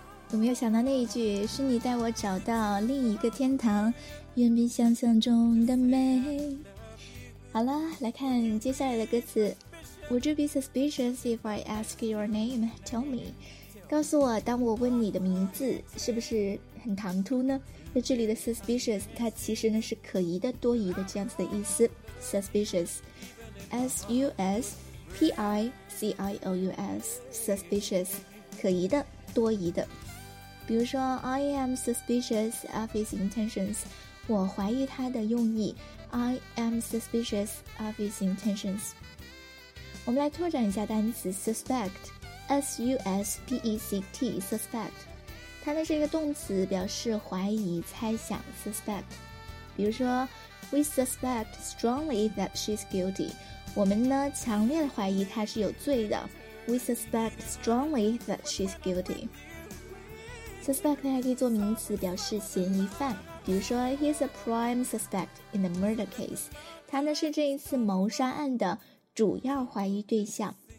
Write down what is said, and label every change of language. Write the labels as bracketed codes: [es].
[zh] 有没有想到那一句，是你带我找到另一个天堂，远比想象中的美。好了，来看接下来的歌词。 [en] Would you be suspicious if I ask your name? Tell me. [zh] 告诉我，当我问你的名字，是不是很唐突呢？那这里的 suspicious 它其实呢是可疑的、多疑的这样子的意思。 [en] suspicious S-U-S-P-I-C-I-O-U-S suspicious [zh] 可疑的、多疑的。比如说 [en] I am suspicious of his intentions， [zh] 我怀疑他的用意。 [en] I am suspicious of his intentions。 [zh] 我们来拓展一下单词 suspect， S-U-S-P-E-C-T suspect， 它呢是一个动词，表示怀疑、猜想 suspect。比如说 [en] We suspect strongly that she's guilty. [zh] 我们呢强烈的怀疑她是有罪的。 [en] We suspect strongly that she's guilty. [zh] Suspect 还可以做名词，表示嫌疑犯。比如说 [en] ，He's a prime suspect in the murder case. [zh] 他呢是这一次谋杀案的主要怀疑对象。